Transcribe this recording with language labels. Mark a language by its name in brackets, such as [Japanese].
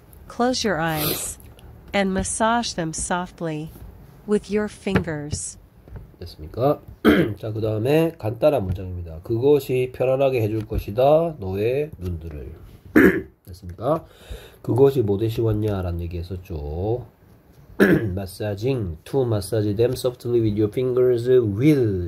[English] Close your eyes and massage them softly with your fingers. [Korean] 됐습니까? 자, 그 다음에 간단한 문장입니다. 그것이 편안하게 해줄 것이다. 너의 눈들을. 됐습니까? 그것이 뭐 되시겠냐라는 얘기 했었죠. [English] massaging, to massage them softly with your fingers will.